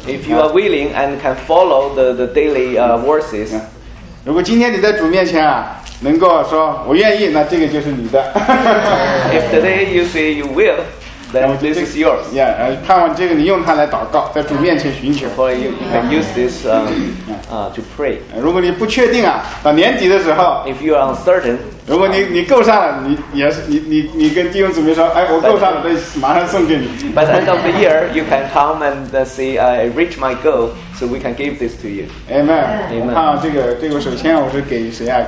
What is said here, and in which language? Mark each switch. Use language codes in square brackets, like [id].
[en] If you are willing and can follow the daily verses. [zh] 如果今天你在主面前啊，能够说我愿意，那这个就是你的。 [en] If today you say you will, then this is yours. [zh] Yeah, 盼望这个你用它来祷告，在主面前寻求。 [en] Before you can use this to pray. [zh] 如果你不确定啊，到年底的时候。 [en] If you are uncertain. [zh] 如果你够上了，你跟弟兄姊妹说，哎，我够上了，再马上送给你。 [en] By the end of the year, you can come and see I reach my goal. So we can give this to you. Amen. Amen. [zh] 我看这个首先我是给谁啊？